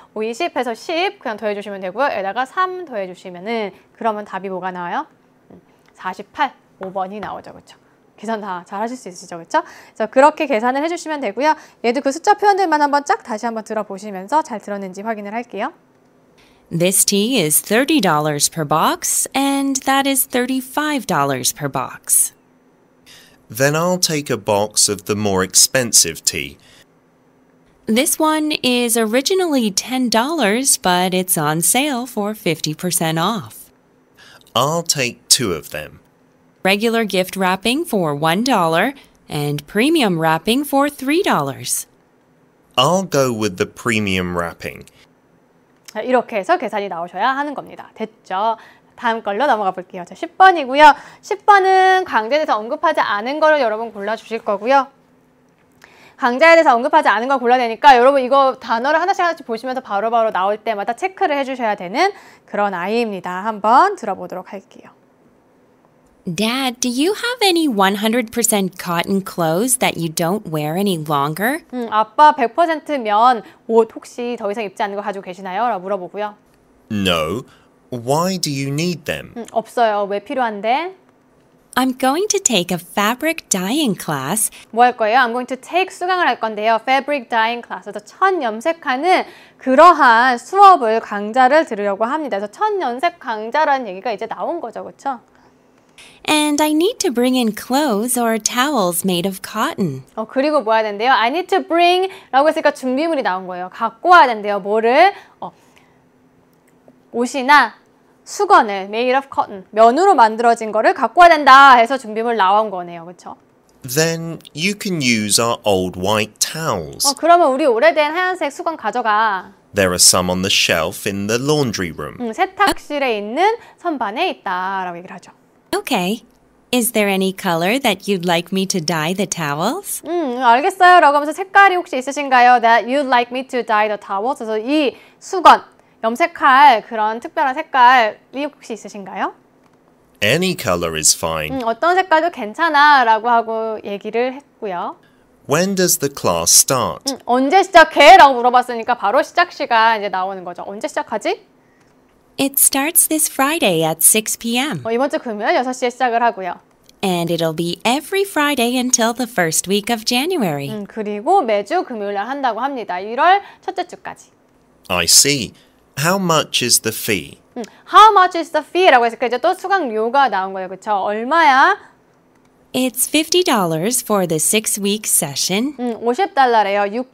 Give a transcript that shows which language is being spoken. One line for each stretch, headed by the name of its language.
Korean: 20에서 10 그냥 더해주시면 되고요. 여기다가 3 더해주시면은 그러면 답이 뭐가 나와요? 48, 5번이 나오죠, 그렇죠? 계산 다 잘 하실 수 있으시죠, 그렇죠? 그렇게 계산을 해주시면 되고요. 얘도 그 숫자 표현들만 한번 쫙 다시 한번 들어보시면서 잘 들었는지 확인을 할게요.
English: This tea is $30 per box, and that is $35 per box. Then I'll take a box of the more expensive tea. This one is originally $10, but it's on sale for 50% off. I'll take two of them. Regular gift wrapping for $1 and premium wrapping for $3. I'll go with the premium wrapping.
Korean: 이렇게 해서 계산이 나오셔야 하는 겁니다. 됐죠? 다음 걸로 넘어가 볼게요. 자, 10번이고요. 10번은 강좌에 대해서 언급하지 않은 거를 여러분 골라주실 거고요. 강좌에 대해서 언급하지 않은 걸 골라내니까 여러분 이거 단어를 하나씩 하나씩 보시면서 바로바로 나올 때마다 체크를 해주셔야 되는 그런 아이입니다. 한번 들어보도록 할게요.
English: Dad, do you have any 100% cotton clothes that you don't wear any longer?
Korean: 아빠 100% 면 옷 혹시 더 이상 입지 않는 거 가지고 계시나요? 라고 물어보고요.
English: No. Why do you need them?
Korean: 없어요. 왜 필요한데?
English: I'm going to take a fabric dyeing class.
Korean: 뭐 할 거예요?
English: I'm going to take
Korean: 수강을 할 건데요.
English: Fabric dyeing class.
Korean: 그래서 천 염색하는 그러한 수업을 강좌를 들으려고 합니다. 그래서 천 염색 강좌라는 얘기가 이제 나온 거죠. 그렇죠?
English: And I need to bring in clothes or towels made of cotton.
Korean: 그리고 뭐 해야 된대요?
English: I need to bring
Korean: 라고 했으니까 준비물이 나온 거예요. 갖고 와야 된대요. 뭐를? 옷이나 수건을
English: made of cotton,
Korean: 면으로 만들어진 거를 갖고 와야 된다 해서 준비물 나온 거네요. 그렇죠?
English: Then you can use our old white towels.
Korean: 그러면 우리 오래된 하얀색 수건 가져가.
English: There are some on the shelf in the laundry room.
Korean: 세탁실에 있는 선반에 있다라고 얘기를 하죠.
English: Okay. Is there any color that you'd like me to dye the towels?
Korean: 알겠어요. 라고 하면서 색깔이 혹시 있으신가요?
English: That you'd like me to dye the towels?
Korean: 그래서 이 수건, 염색할 그런 특별한 색깔이 혹시 있으신가요?
English: Any color is fine.
Korean: 어떤 색깔도 괜찮아 라고 하고 얘기를 했고요.
English: When does the class start?
Korean: 언제 시작해? 라고 물어봤으니까 바로 시작 시간 이제 나오는 거죠. 언제 시작하지?
English: It starts this Friday at 6 p.m.
Korean: 이번 주 금요일 6시에 시작을 하고요.
English: And it'll be every Friday until the first week of January.
Korean: 그리고 매주 금요일날 한다고 합니다. 1월 첫째 주까지.
English: I see. How much is the fee? How much is the fee?
Korean: 라고 했을 때 이제 또 수강료가 나온 거예요. 그렇죠? 얼마야?
English: It's $50 for the 6-week session.
Korean: 50달러래요.